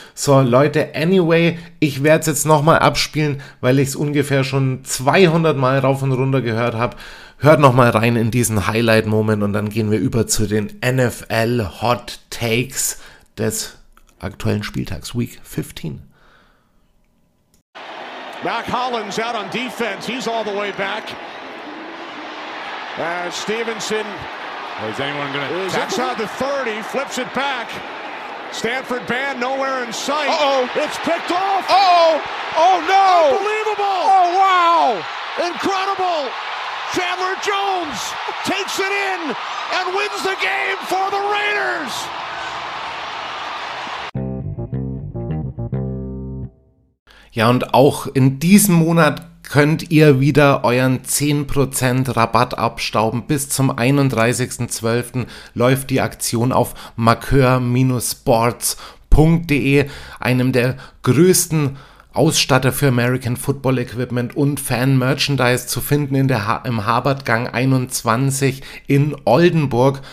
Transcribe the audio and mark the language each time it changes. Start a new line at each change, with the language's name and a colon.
German: So Leute, anyway, ich werde es jetzt nochmal abspielen, weil ich es ungefähr schon 200 Mal rauf und runter gehört habe. Hört nochmal rein in diesen Highlight-Moment und dann gehen wir über zu den NFL-Hot-Takes des aktuellen Spieltags, Week 15.
English: Mac Hollins out on defense, he's all the way back. Stevenson is, anyone gonna is outside the 30, flips it back. Stanford band nowhere in sight. Uh-oh. It's picked off. Uh-oh. Oh no. Unbelievable. Oh wow. Incredible. Chandler Jones takes it in and wins the game for the Raiders.
German: Ja, und auch in diesem Monat könnt ihr wieder euren 10% Rabatt abstauben. Bis zum 31.12. läuft die Aktion auf marqueur-sports.de, einem der größten Ausstatter für American Football Equipment und Fan-Merchandise zu finden in der im Habertgang 21 in Oldenburg.